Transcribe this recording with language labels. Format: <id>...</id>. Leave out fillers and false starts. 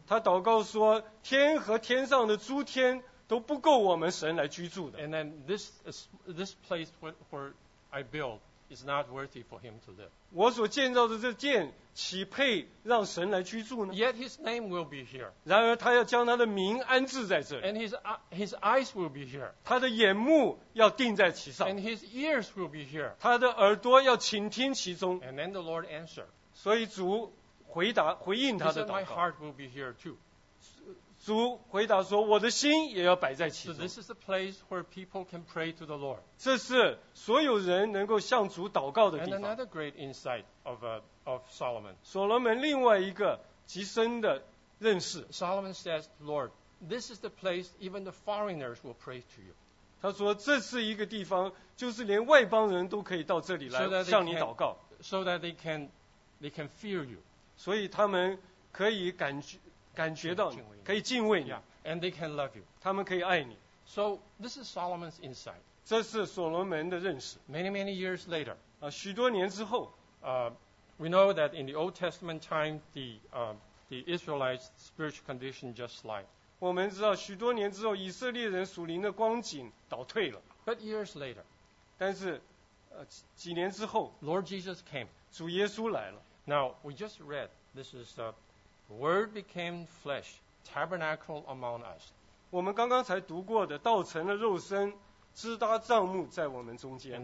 <zh>他祷告说，天和天上的诸天都不够我们神来居住的。</zh> <en>And then this place where I build is not worthy for him to live.</en> <zh>我所建造的这殿岂配让神来居住呢？</zh> <en>Yet his name will be here.</en> <zh>然而他要将他的名安置在这里。</zh> <en>And his eyes will be here.</en> <zh>他的眼目要定在其上。</zh> <en>And his ears will be here.</en> <zh>他的耳朵要倾听其中。</zh> <en>And then the Lord answered.</en> <zh>所以主回答回应他的祷告。</zh> <en>He said, my heart will be here too.</en> <zh>主回答说，我的心也要摆在其中。</zh> <en>So this is the place where people can pray to the Lord.</en> <zh>这是所有人能够向主祷告的地方。</zh> <en>And another great insight of Solomon.</en> <zh>所罗门另外一个极深的认识。</zh> <en>Solomon says, Lord, this is the place even the foreigners will pray to you.</en> <zh>他说，这是一个地方，就是连外邦人都可以到这里来向你祷告。</zh> <en>So that they can fear you.</en> <zh>所以他们可以感觉到你，可以敬畏你。</zh> <en>Yeah, and they can love you.</en> <zh>他们可以爱你。</zh> <en>So this is Solomon's insight.</en> <zh>这是所罗门的认识。</zh> <en>Many, many years later.</en> <zh>许多年之后。</zh> <en>We know that in the Old Testament time, the Israelites' spiritual condition just slide.</en> <zh>我们知道许多年之后，以色列人属灵的光景倒退了。</zh> <en>But years later.</en> <zh>但是几年之后。</zh> <en>Lord Jesus came.</en> <zh>主耶稣来了。</zh> <en>Now, we just read, this is Word became flesh, tabernacle among us.</en> <zh>我们刚刚才读过的，道成了肉身，支搭帐幕在我们中间。</zh>